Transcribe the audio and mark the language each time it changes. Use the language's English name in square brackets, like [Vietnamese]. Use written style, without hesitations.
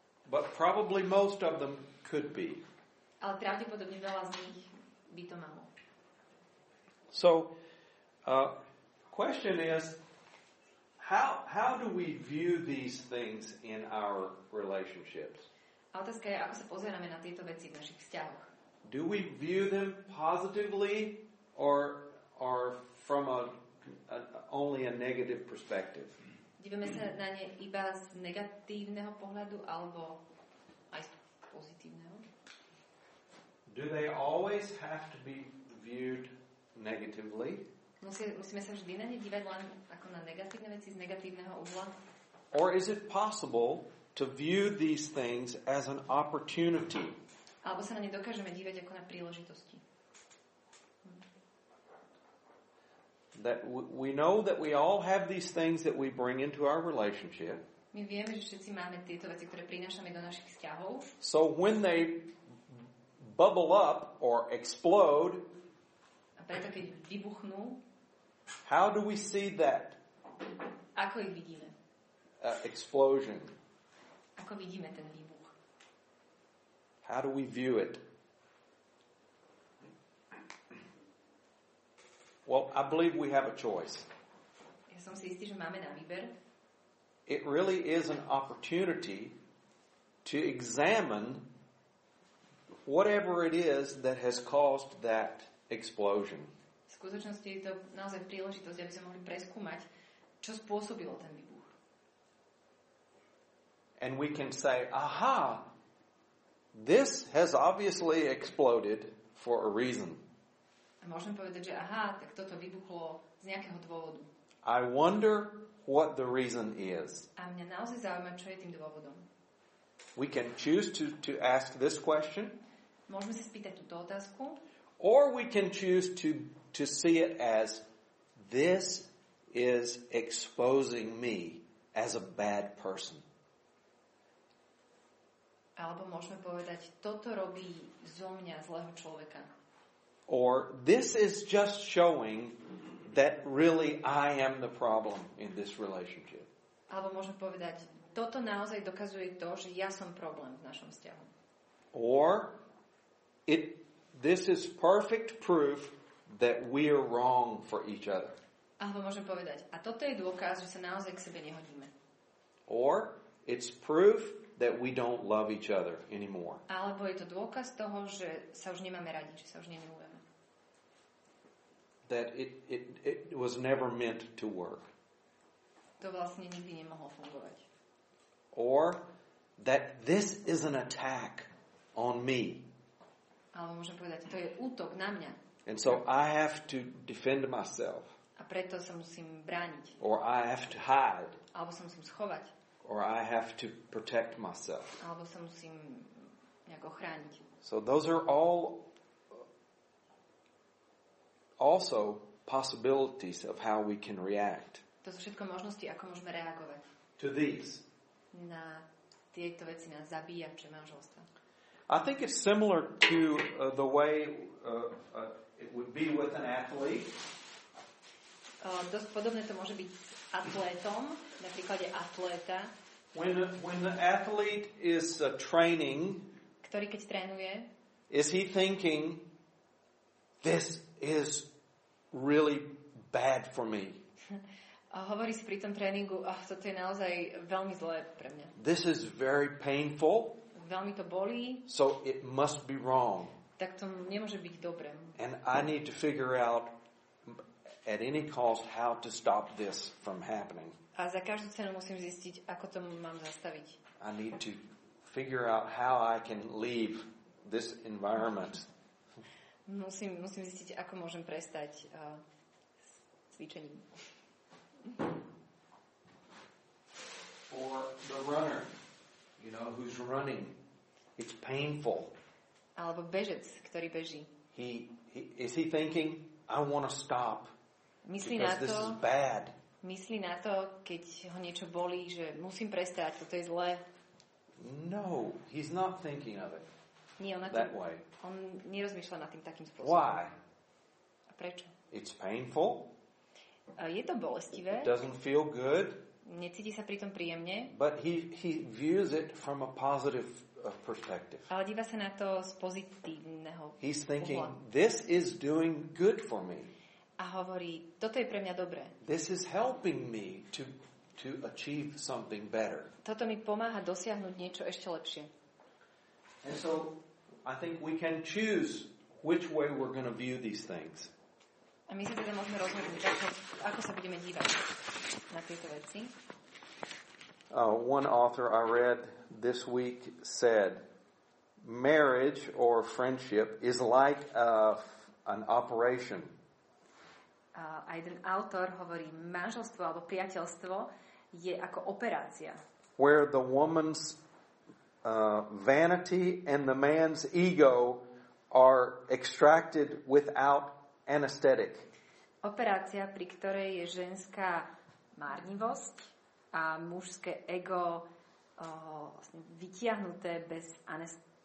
[English] but probably most of them could be. [Slovak] Ale pravdepodobne veľa z nich by to malo. [English] So, question is, how do we view these things in our relationships? [Slovak] A otázka je, ako sa pozeráme na tieto veci v našich vzťahoch? [English] Do we view them positively or from only a negative perspective? [Slovak] Dívame sa na ne iba z negatívneho pohľadu alebo aj z pozitívneho? [English] Do they always have to be viewed negatively? [Slovak] Musíme sa vždy na ne dívať len ako na negatívne veci z negatívneho uhla? [English] Or is it possible to view these things as an opportunity? [Slovak] Alebo sa na ne dokážeme dívať ako na príležitosti? [English] That we know that we all have these things that we bring into our relationship. [Slovak] My vieme, že všetci máme tieto veci, ktoré prinášame do našich vzťahov. [English] So when they bubble up or explode, [Slovak] a preto keď vybuchnú, [English] how do we see that? [Slovak] Ako ich vidíme? [English] Explosion. [Slovak] Ako vidíme ten výbuch? [English] How do we view it? Well, I believe we have a choice. [Slovak] Ja som si istý, že máme na výber. [English] It really is an opportunity to examine whatever it is that has caused that explosion. [Slovak] V skutočnosti je to naozaj príležitosť, aby sme mohli preskúmať, čo spôsobilo ten výbuch. [English] And we can say, aha, this has obviously exploded for a reason. [Slovak] A môžeme povedať, že aha, tak toto vybuchlo z nejakého dôvodu. [English] I wonder what the reason is. [Slovak] A mňa naozaj zaujíma, čo je tým dôvodom. [English] We can choose to ask this question. [Slovak] Môžeme si spýtať túto otázku. [English] Or we can choose to see it as this is exposing me as a bad person. [Slovak] Alebo môžeme povedať, toto robí zo mňa zlého človeka. [English] Or this is just showing that really I am the problem in this relationship. [Slovak] Alebo môžeme povedať, toto naozaj dokazuje to, že ja som problém v našom vzťahu. [English] Or this is perfect proof that we are wrong for each other. [Slovak] Alebo môžeme povedať, a toto je dôkaz, že sa naozaj k sebe nehodíme. [English] Or it's proof that we don't love each other anymore. [Slovak] Alebo je to dôkaz toho, že sa už nemáme radi, že sa už nemilujeme. [English] That it was never meant to work. [Slovak] To vlastne nikdy nemohlo fungovať. [English] Or that this is an attack on me. [Slovak] Alebo môžem povedať, to je útok na mňa. [English] And so I have to defend myself. [Slovak] A preto sa musím brániť. [English] Or I have to hide. [Slovak] Alebo sa musím schovať. [English] Or I have to protect myself. [Slovak] Alebo sa musím nejako chrániť. [English] So those are all also possibilities of how we can react. [Slovak] To sú všetko možnosti, ako môžeme reagovať. [English] To these. [Slovak] Na tieto veci nás zabíja pre manželstvo. [English] I think it's similar to the way it would be with an athlete. [Slovak] Dosť podobné to môže byť s atlétom, na príklade atléta. [English] When the athlete is training, [Slovak] ktorý keď trénuje, [English] is he thinking, this is really bad for me? [Slovak] A hovorí si pri tom tréningu, toto je naozaj veľmi zlé pre mňa. [English] This is very painful. [Slovak] Veľmi to bolí. [English] So it must be wrong. [Slovak] Tak to nemôže byť dobré. [English] And I need to figure out at any cost how to stop this from happening. [Slovak] A za každú cenu musím zistiť, ako to mám zastaviť. [English] I need to figure out how I can leave this environment. [Slovak] Musím zistiť, ako môžem prestať s cvičením. [English] Or the runner, you know, who's running. It's painful. [Slovak] Alebo bežec, ktorý beží. [English] Is he thinking, I want to stop. [Slovak] Myslí na to, [English] this is bad. [Slovak] Myslí na to, keď ho niečo bolí, že musím prestať, toto je zlé. [English] No, he's not thinking of it. [Slovak] Nie, on [English] that way. [Slovak] On nerozmýšľa nad tým takým spôsobom. [English] Why? [Slovak] A prečo? [English] It's painful. [Slovak] Je to bolestivé. [English] It doesn't feel good. [Slovak] Necíti sa pri tom príjemne. [English] But he views it from a positive perspective. [Slovak] Ale díva sa na to z pozitívneho uhla. [English] He's thinking, this is doing good for me. [Slovak] A hovorí, toto je pre mňa dobré. [English] This is helping me to achieve something better. [Slovak] Toto mi pomáha dosiahnuť niečo ešte lepšie. [English] And so I think we can choose which way we're going to view these things. [Slovak] A my sa teda môžeme rozhodnúť, ako sa budeme dívať na tieto veci. [English] One author I read this week said, marriage or friendship is like an operation. [Slovak] A jeden autor hovorí, manželstvo alebo priateľstvo je ako operácia. [English] Where the woman's vanity and the man's ego are extracted without anesthetic. [Slovak] Operácia, pri ktorej je ženská márnivosť a mužské ego vlastne vytiahnuté bez anestézie.